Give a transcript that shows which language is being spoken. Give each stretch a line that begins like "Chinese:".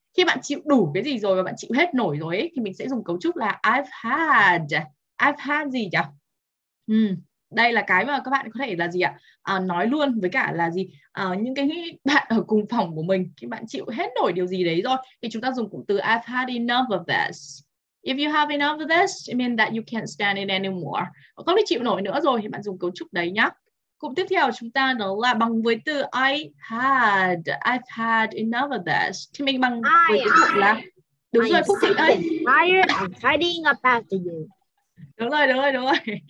Vietnamese: Khi bạn chịu đủ cái gì rồi và bạn chịu hết nổi rồi ý, thì mình sẽ dùng cấu trúc là
English: I've had
Vietnamese: gì nhỉ? Đây là cái mà các bạn có thể là gì ạ? Nói luôn với cả là gì? Những cái bạn ở cùng phòng của mình, khi bạn chịu hết nổi điều gì đấy rồi, thì chúng ta dùng cụm từ
English: I've had enough of this. If you have enough of this, it means that you can't stand it anymore.
Vietnamese: Không thể chịu nổi nữa rồi, thì bạn dùng cấu trúc đấy nhá. Cụm tiếp theo của chúng ta đó là bằng với từ
English: I've had enough of this.
Vietnamese: Thì mình bằng với cái cụm là... Đúng rồi, Phúc Thịnh ơi.
English: I'm hiding about you.
Vietnamese: Đúng rồi.